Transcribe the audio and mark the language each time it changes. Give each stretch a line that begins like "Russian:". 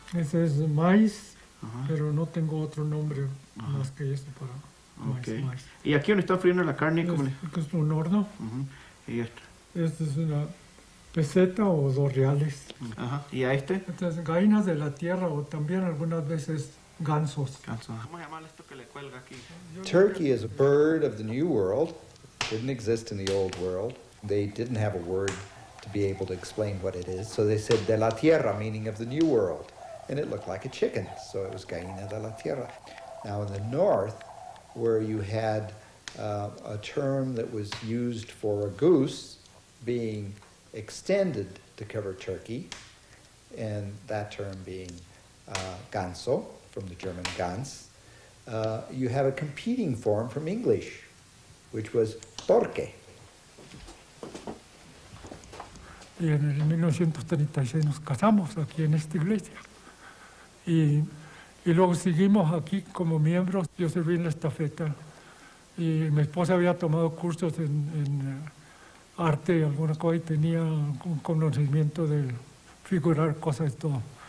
Spanish: Ese es maíz. Ajá. Pero no tengo otro nombre. Ajá. Más que este para maíz. ¿Y aquí donde está friendo la carne? Es un horno. Ajá. ¿Y este? Este es una peseta o dos reales. Ajá. ¿Y a este? Este es gallinas de la tierra o también algunas veces gansos. ¿Cómo llamar esto que le cuelga aquí?
English: Turkey is a bird of the New World. didn't exist in the old world. They didn't have a word to be able to explain what it is. So they said de la tierra, meaning of the new world. And it looked like a chicken, so it was gallina de la tierra. Now in the north, where you had a term that was used for a goose being extended to cover turkey, and that term being ganso, from the German ganz, you have a competing form from English, which was torque.
Spanish: Y en el 1936 nos casamos aquí en esta iglesia. Y luego seguimos aquí como miembros. Yo serví en la estafeta. Y mi esposa había tomado cursos en arte y alguna cosa, y tenía un conocimiento de figurar cosas y todo.